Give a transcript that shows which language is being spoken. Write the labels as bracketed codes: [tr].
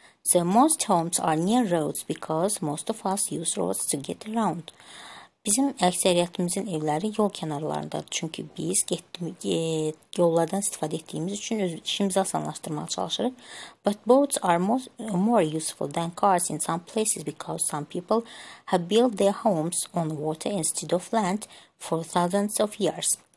[en] So most homes are near roads because most of us use roads to get around. [az] Bizim əksəriyyətimizin evləri yol kənarlarındadır. Çünki biz yollardan istifadə etdiyimiz üçün işimizi asanlaşdırmağa çalışırıq. [en] But boats are more useful than cars in some places because some people have built their homes on water instead of land for thousands of years.